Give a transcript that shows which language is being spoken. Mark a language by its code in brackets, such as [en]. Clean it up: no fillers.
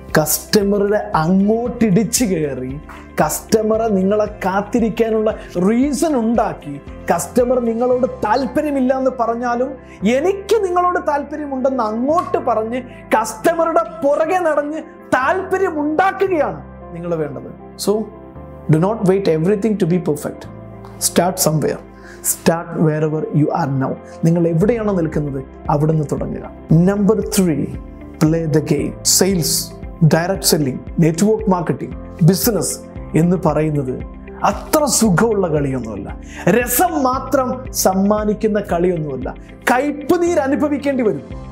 [ml] കസ്റ്റമറുടെ അങ്ങോട്ടിടിച്ച് കയറി കസ്റ്റമറെ നിങ്ങളെ കാത്തിരിക്കാനുള്ള റീസൺ ഉണ്ടാക്കി, കസ്റ്റമർ നിങ്ങളോട് താല്പര്യമില്ല എന്ന് പറഞ്ഞാലും എനിക്ക് നിങ്ങളോട് താല്പര്യമുണ്ടെന്ന് അങ്ങോട്ട് പറഞ്ഞ് കസ്റ്റമറുടെ പുറകെ നടന്ന് താല്പര്യമുണ്ടാക്കുകയാണ് നിങ്ങൾ വേണ്ടത്. [en] So do not wait everything to be perfect. Start somewhere. Start wherever you are now. [ml] നിങ്ങൾ എവിടെയാണ് നിൽക്കുന്നത് അവിടെ നിന്ന് തുടങ്ങുക. Number 3, [en] Play the game. [ml] Sales, direct selling, network marketing, business എന്ന് പറയുന്നത് അത്ര സുഖമുള്ള കളിയൊന്നുമല്ല, രസം മാത്രം സമ്മാനിക്കുന്ന കളിയൊന്നുമല്ല. കയ്പ്പുനീർ അനുഭവിക്കേണ്ടി വരും,